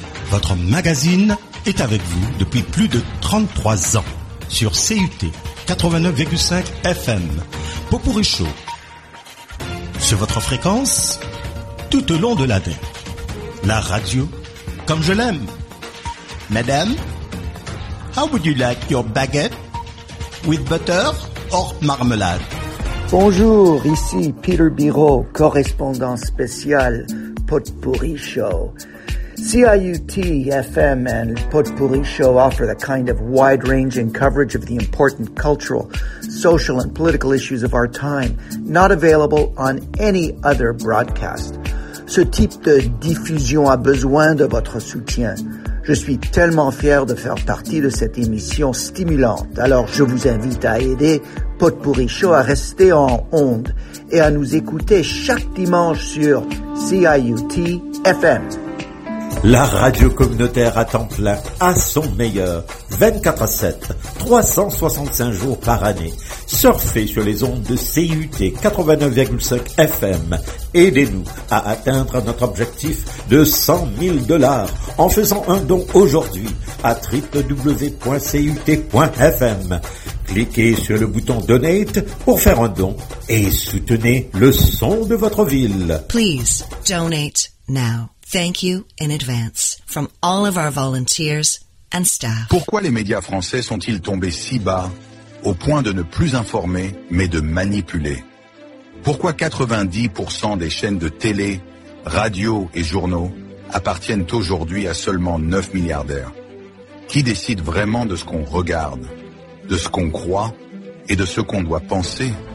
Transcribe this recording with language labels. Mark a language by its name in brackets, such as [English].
[French] Votre magazine est avec vous depuis plus de 33 ans. Sur CUT 89,5 FM, Popourri Show, sur votre fréquence, tout au long de l'année, la radio, comme je l'aime. [English] Madame, how would you like your baguette, with butter or marmelade? [French] Bonjour, ici Peter Biro, correspondant spécial, Popourri Show. [English] CIUT-FM and Potpourri Show offer the kind of wide-ranging coverage of the important cultural, social, and political issues of our time, not available on any other broadcast. [French] Ce type de diffusion a besoin de votre soutien. Je suis tellement fier de faire partie de cette émission stimulante, alors je vous invite à aider Potpourri Show à rester en onde et à nous écouter chaque dimanche sur CIUT-FM. La radio communautaire à temps plein, à son meilleur, 24/7, 365 jours par année. Surfez sur les ondes de CIUT 89,5 FM. Aidez-nous à atteindre notre objectif de $100,000 en faisant un don aujourd'hui à www.cut.fm. Cliquez sur le bouton Donate pour faire un don et soutenez le son de votre ville. [English] Please donate now. Thank you in advance from all of our volunteers and staff. [French] Pourquoi les médias français sont-ils tombés si bas au point de ne plus informer mais de manipuler? Pourquoi 90% des chaînes de télé, radio et journaux appartiennent aujourd'hui à seulement 9 milliardaires? Qui décide vraiment de ce qu'on regarde, de ce qu'on croit et de ce qu'on doit penser?